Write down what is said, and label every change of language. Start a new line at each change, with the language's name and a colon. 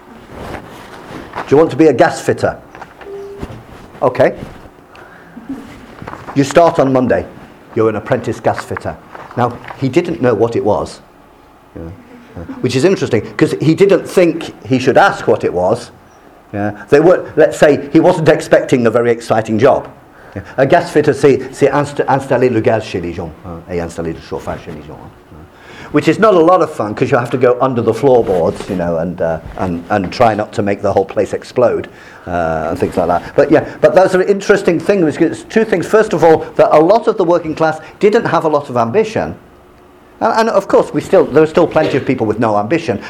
English: Do you want to be a gas fitter? Okay. You start on Monday. You're an apprentice gas fitter. Now, he didn't know what it was, which is interesting, because he didn't think he should ask what it was. He wasn't expecting a very exciting job. Yeah.
French: A gas fitter, c'est installer le gaz chez les gens, et installer le chauffage chez les gens.
English: Which is not a lot of fun, because you have to go under the floorboards, and try not to make the whole place explode, and things like that. But that's an interesting thing. It's two things. First of all, that a lot of the working class didn't have a lot of ambition. And of course, there are still plenty of people with no ambition.